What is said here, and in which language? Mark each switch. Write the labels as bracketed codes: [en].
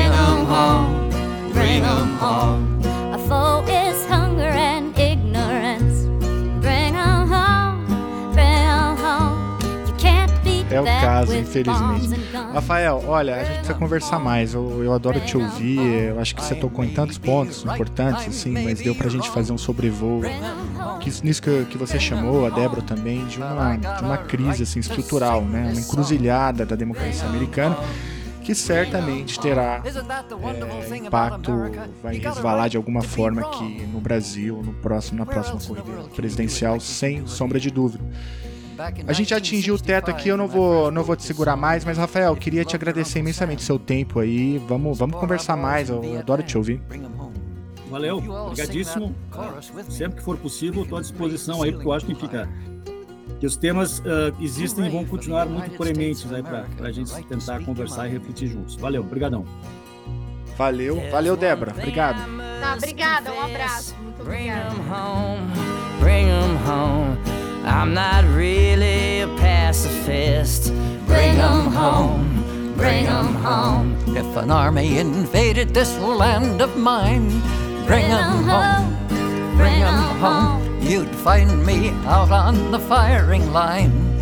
[en] home. A foe is hunger and ignorance. Bring 'em home, bring 'em home. You can't beat [pt] é o caso, infelizmente. Rafael, olha, a gente precisa conversar mais. Eu adoro te ouvir. Eu acho que você tocou em tantos pontos importantes, assim, mas deu pra gente fazer um sobrevoo. Que, nisso que você chamou, a Débora também, de uma crise assim, estrutural, né? Uma encruzilhada da democracia americana, que certamente terá impacto, vai resvalar de alguma forma aqui no Brasil, na próxima corrida presidencial, sem sombra de dúvida. A gente já atingiu o teto aqui, eu não vou te segurar mais, mas Rafael, queria te agradecer imensamente seu tempo aí, vamos conversar mais, eu adoro te ouvir. Valeu, obrigadíssimo, sempre que for possível, estou à disposição aí, porque eu acho que fica, que os temas existem e vão continuar muito prementes aí para a gente tentar conversar e refletir juntos. Valeu, obrigadão. Valeu Débora, obrigado. Tá, obrigada, um abraço, muito obrigada. [en] Bring 'em home. I'm not really a pacifist. Bring 'em home, bring 'em home. If an army invaded this land of mine, bring 'em home, bring 'em home. You'd find me out on the firing line.